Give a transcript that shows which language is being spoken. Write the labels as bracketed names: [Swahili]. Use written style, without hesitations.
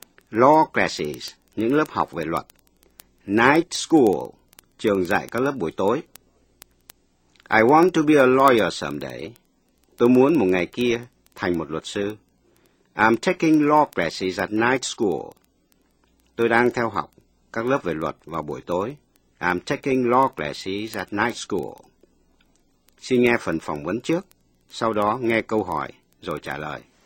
[English] Law classes, [Vietnamese] những lớp học về luật. [English] Night school, [Vietnamese] trường dạy các lớp buổi tối. [English] I want to be a lawyer someday. [Vietnamese] Tôi muốn một ngày kia thành một luật sư. [English] I'm taking law classes at night school. [Vietnamese] Tôi đang theo học các lớp về luật vào buổi tối. [English] I'm taking law classes at night school. [Vietnamese] Xin nghe phần phỏng vấn trước, sau đó nghe câu hỏi rồi trả lời.